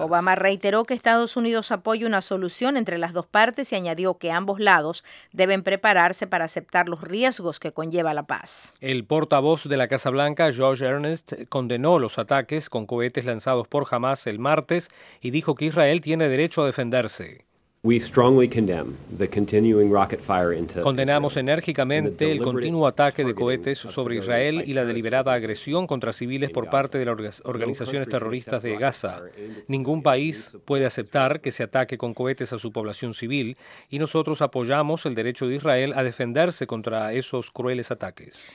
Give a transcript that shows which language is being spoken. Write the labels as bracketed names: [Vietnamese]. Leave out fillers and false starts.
[Spanish] Obama reiteró que Estados Unidos apoya una solución entre las dos partes y añadió que ambos lados deben prepararse para aceptar los riesgos que conlleva la paz. El portavoz de la Casa Blanca, George Earnest, condenó los ataques con cohetes lanzados por Hamas el martes y dijo que Israel tiene derecho a defenderse. [English] We strongly condemn the continuing rocket fire into Israel. [Spanish] Condenamos enérgicamente el continuo ataque de cohetes sobre Israel y la deliberada agresión contra civiles por parte de las organizaciones terroristas de Gaza. Ningún país puede aceptar que se ataque con cohetes a su población civil y nosotros apoyamos el derecho de Israel a defenderse contra esos crueles ataques.